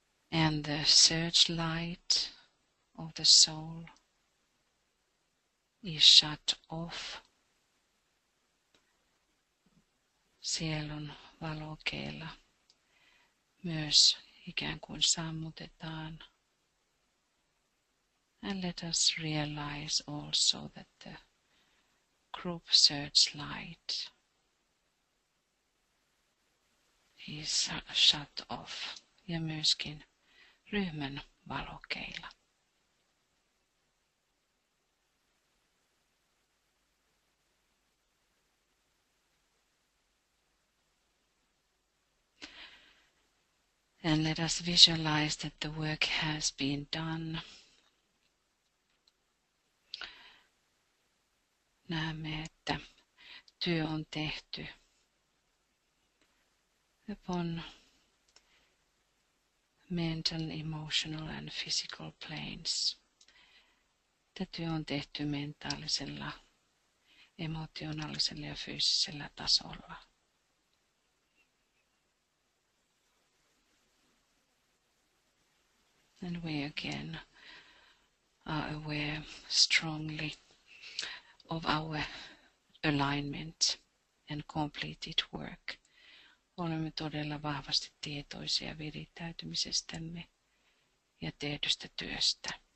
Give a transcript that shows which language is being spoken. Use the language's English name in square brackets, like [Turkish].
[English] And the searchlight of the soul is shut off. [Finnish] Sielun valokeila myös ikään kuin sammutetaan. [English] And let us realize also that the group searchlight is shut off. [Finnish] Ja myöskin ryhmän valokeila. [English] And let us visualize that the work has been done. [Finnish] Näemme, että työ on tehty. [English] Upon mental, emotional and physical planes. [Finnish] Tätä on tehty mentaalisella, emotionaalisella ja fyysisellä tasolla. [English] And we again are aware strongly of our alignment and completed work. [Finnish] Olemme todella vahvasti tietoisia virittäytymisestämme ja tehdystä työstä.